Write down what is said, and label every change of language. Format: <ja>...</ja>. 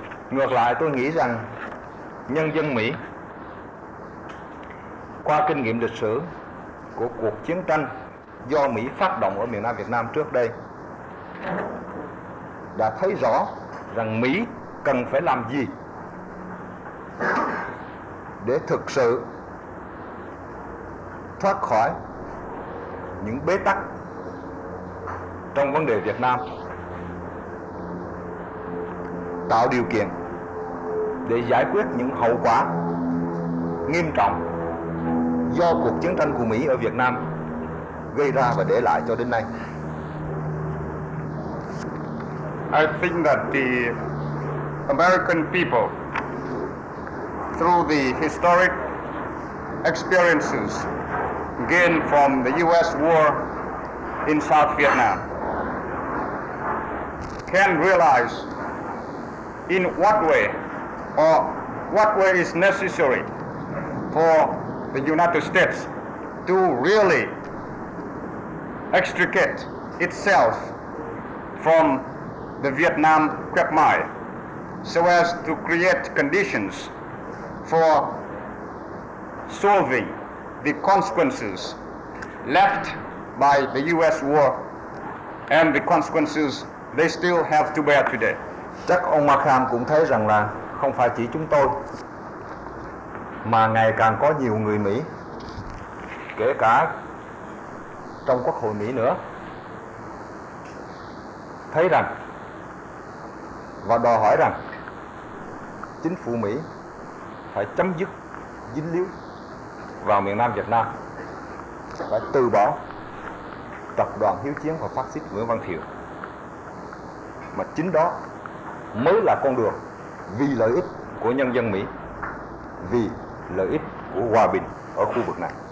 <vi>Ngược lại, tôi nghĩ rằng nhân dân Mỹ qua kinh nghiệm lịch sử của cuộc chiến tranh do Mỹ phát động ở miền Nam Việt Nam trước đây đã thấy rõ rằng Mỹ cần phải làm gì để thực sự thoát khỏi những bế tắc trong vấn đề Việt Nam, tạo điều kiện để giải quyết những hậu quả nghiêm trọng do cuộc chiến tranh của Mỹ ở Việt Nam gây ra và để lại cho đến nay.</vi> <en>I think that the American people, through the historic experiences gained from the US war in South Vietnam, can realize in what way or what way is necessary for the United States to really extricate itself from the Vietnam quagmire so as to create conditions for solving the consequences left by the US war and the consequences they still have to bear today.</en> <vi>Chắc ông Markham cũng thấy rằng là không phải chỉ chúng tôi mà ngày càng có nhiều người Mỹ, kể cả trong Quốc hội Mỹ nữa, thấy rằng và đòi hỏi rằng chính phủ Mỹ phải chấm dứt dính líu vào miền Nam Việt Nam, phải từ bỏ tập đoàn hiếu chiến và phát xít Nguyễn Văn Thiệu, mà chính đó mới là con đường vì lợi ích của nhân dân Mỹ, vì lợi ích của hòa bình ở khu vực này.</vi>